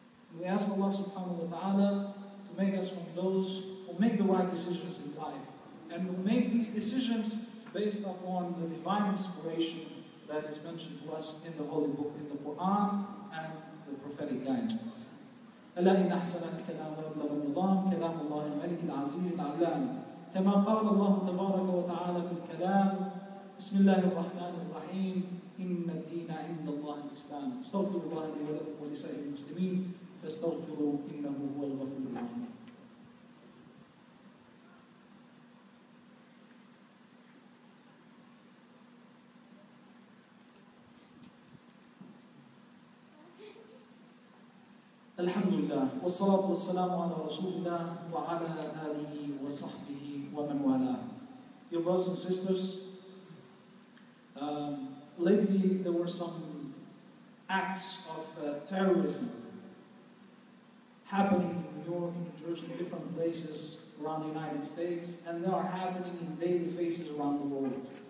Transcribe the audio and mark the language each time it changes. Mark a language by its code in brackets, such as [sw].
[en] And we ask Allah subhanahu wa ta'ala to make us from those who make the right decisions in life, and who make these decisions based upon the divine inspiration that is mentioned to us in the Holy Book, in the Quran, and the prophetic guidance. [ar] ألا إن أحسن الكلام أبلغ النظام كلام الله الملك العزيز العلام كما قال الله تبارك وتعالى في الكلام بسم الله الرحمن الرحيم إن الدين عند الله الإسلام استغفر الله لي ولكم ولسائر المسلمين فاستغفروا إنه هو الغفور الرحيم. الحمد لله والصلاة والسلام على رسول الله وعلى آله وصحبه ومن والاه. [en] Dear brothers and sisters, lately there were some acts of terrorism happening in New York, in New Jersey, different places around the United States, and they are happening in daily basis around the world.